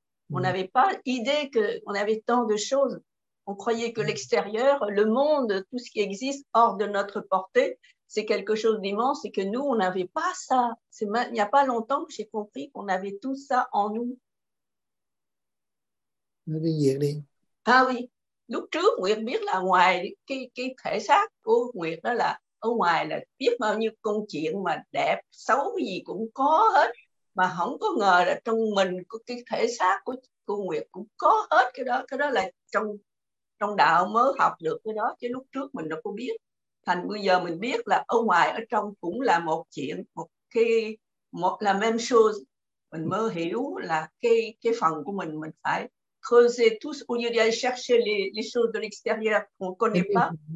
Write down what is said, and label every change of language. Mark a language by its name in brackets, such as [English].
[French] On n'avait pas idée que on avait tant de choses. On croyait que l'extérieur, le monde, tout ce qui existe hors de notre portée, c'est quelque chose d'immense et que nous, on n'avait pas ça. Il n'y a pas longtemps que j'ai compris qu'on avait tout ça en nous. [Vietnamese] Ah oui, lúc trước Nguyễn biết là ngoài cái thể xác của Nguyễn đó là ở ngoài là biết bao nhiêu công chuyện mà đẹp, xấu gì cũng có hết. Mà không có ngờ là trong mình có cái thể xác của Nguyễn cũng có hết cái đó. Cái đó là trong đạo mới học được cái đó. Chứ lúc trước mình đâu có biết. Thành bây giờ mình biết là ở ngoài, ở trong cũng là một chuyện, một là [French] même chose. [Vietnamese] Mình mới hiểu là cái phần của mình phải... [French] creuser tous au lieu d'aller chercher les choses de l'extérieur qu'on ne connaît pas.